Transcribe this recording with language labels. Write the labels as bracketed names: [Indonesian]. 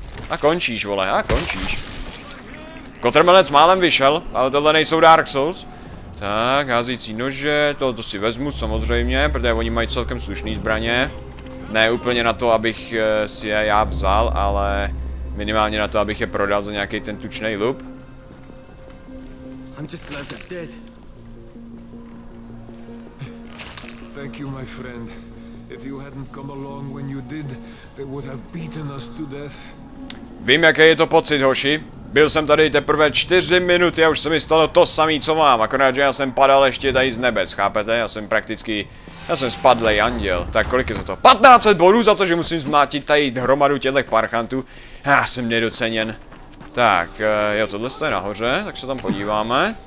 [Czech] A končíš, vole, a končíš. Kotrmelec málem vyšel, ale tohle nejsou Dark Souls. Tak, házející nože, tohoto si vezmu samozřejmě, protože oni mají celkem slušný zbraně. Ne úplně na to, abych si je já vzal, ale minimálně na to, abych je prodal za nějaký ten tučný lup. [English] I'm just glad they're dead. Thank you, my friend. If you hadn't come along when you did, they would have beaten us to death. [Czech] Vím, jaký je to pocit, hoši. Byl jsem tady teprve 4 minuty a už se mi stalo to samý, co mám. Akorát, že já jsem padal ještě tady z nebes, chápete? Já jsem spadlej anděl. Tak kolik je za to? 1500 bodů za to, že musím zmátit tady hromadu těchto parchantů. Já jsem nedoceněn. Tak, jo, tohle je nahoře, tak se tam podíváme.